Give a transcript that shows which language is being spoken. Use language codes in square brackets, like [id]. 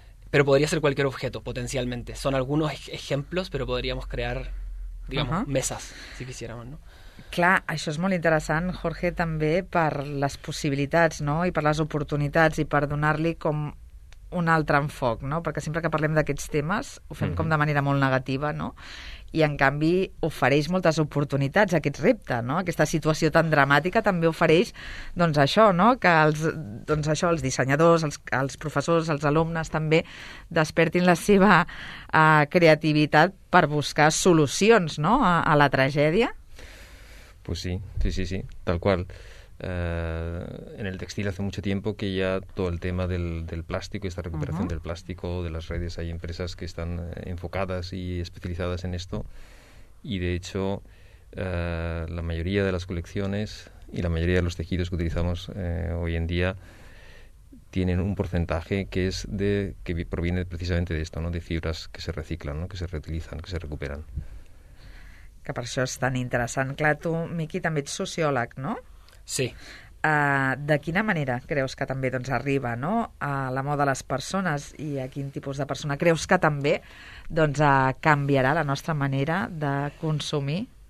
[es] Pero podría ser cualquier objeto, potencialmente. Son algunos ejemplos, pero podríamos crear, digamos, mesas, si quisiéramos, ¿no? [ca] Clar, això és molt interessant, Jorge, també per les possibilitats, no?, i per les oportunitats i per donar-li com un altre enfoc, no?, perquè sempre que parlem d'aquests temes ho fem com de manera molt negativa, no?, i en canvi ofereix moltes oportunitats aquest repte, no?, aquesta situació tan dramàtica també ofereix, doncs, això, no?, que els dissenyadors, els professors, els alumnes també despertin la seva creativitat per buscar solucions, no?, a la tragèdia. [es] Pues sí, tal qual. En el textil hace mucho tiempo que ya todo el tema del plástico, esta recuperación del plástico, de las redes, hay empresas que están enfocadas y especializadas en esto. Y de hecho, la mayoría de las colecciones y la mayoría de los tejidos que utilizamos hoy en día tienen un porcentaje que es de que proviene precisamente de esto, ¿no? De fibras que se reciclan, ¿no? Que se reutilizan, que se recuperan. [ca] Que per això és tan interessant. Clar, tu, Miqui, també ets sociòleg, no? Sí. De quina manera creus que també doncs, arriba, no? A la moda de les persones i a quin tipus de persona creus que també doncs, canviarà la nostra manera de consumir?